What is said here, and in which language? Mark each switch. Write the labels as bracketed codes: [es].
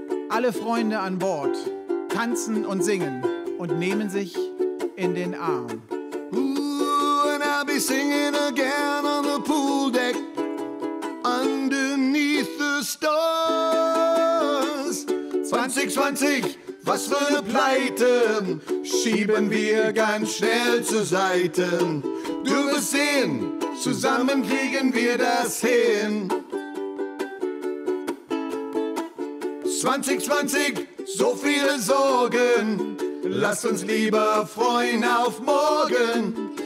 [de] Alle Freunde an Bord tanzen und singen und nehmen sich in den Arm. [en] Ooh, and I'll be singing again on the pool deck underneath the stars. [de] 2020, was für eine Pleite, schieben wir ganz schnell zur Seite. Du wirst sehen, zusammen kriegen wir das hin. 2020, so viele Sorgen, lass uns lieber freuen auf morgen.